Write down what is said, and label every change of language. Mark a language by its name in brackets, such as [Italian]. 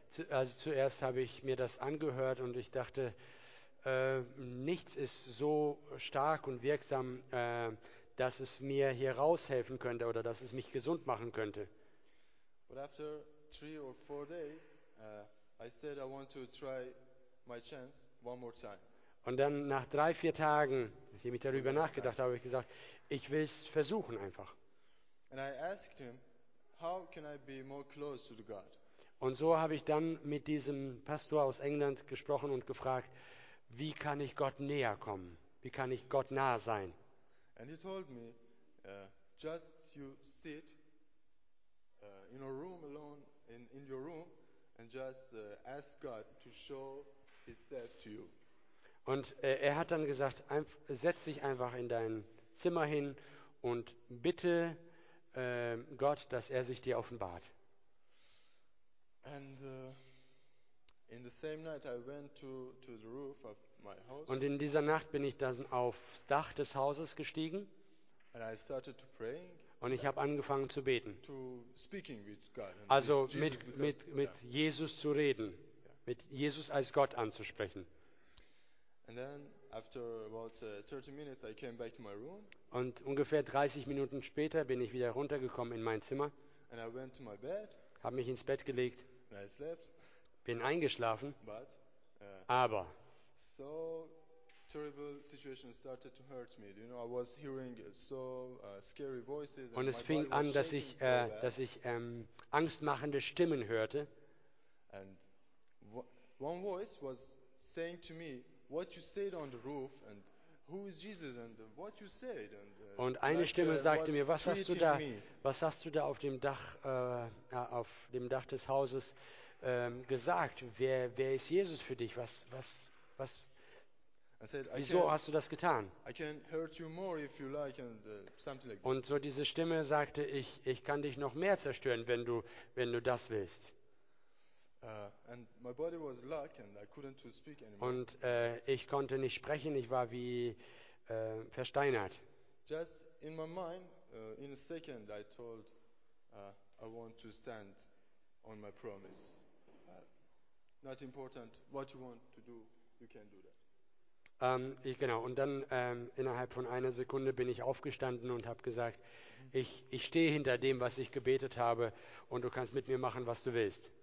[German] Also zuerst habe ich mir das angehört und ich dachte, nichts ist so stark und wirksam, dass es mir hier raushelfen könnte oder dass es mich gesund machen könnte. [English] But after 3 or 4 days, I said I want to try my chance one more time. [German] Und dann nach 3-4 Tagen, nachdem ich darüber nachgedacht habe, habe ich gesagt, ich will es versuchen einfach. [English] And I asked him, how can I be more close to the God? [German] Und so habe ich dann mit diesem Pastor aus England gesprochen und gefragt, wie kann ich Gott näher kommen? Wie kann ich Gott nah sein? [English] And he told me, just you sit in a room alone, in your room, and just ask God to show His self to you. [German] Und er hat dann gesagt, setz dich einfach in dein Zimmer hin und bitte Gott, dass er sich dir offenbart. [English] And in the same night I went to the roof of my house. [German] Und in dieser Nacht bin ich dann aufs Dach des Hauses gestiegen. [English] And I started to praying. [German] Und ich habe angefangen zu beten. [English] To speaking with God and also Jesus, [German] mit Jesus zu reden, mit Jesus als Gott anzusprechen. [English] And then after about 30 minutes I came back to my room. [German] Und ungefähr 30 Minuten später bin ich wieder runtergekommen in mein Zimmer. [English] And I went to my bed. [German] Habe mich ins Bett gelegt. [English] And I slept. [German] Bin eingeschlafen. [English] But [German] aber [English] so terrible situation started to hurt me. You know, I was hearing so scary voices [German] and es fing an, dass ich angstmachende Stimmen hörte. [English] And one voice was saying to me, what you said on the roof and who is Jesus and what you said and [German] und eine like, Stimme sagte mir, was hast du da auf dem Dach des Hauses gesagt, wer ist Jesus für dich, was [English] I said, [German] wieso hast du das getan? [English] I can hurt you more if you like and something like this. [German] Und so diese Stimme sagte, ich kann dich noch mehr zerstören, wenn du das willst. [English] And my body was black and I couldn't speak anymore. [German] Und ich konnte nicht sprechen, ich war wie versteinert. [English] Just in my mind, in a second I told I want to stand on my promise. Not important what you want to do, you can do that. [German] Und dann innerhalb von einer Sekunde bin ich aufgestanden und habe gesagt, ich stehe hinter dem, was ich gebetet habe und du kannst mit mir machen, was du willst.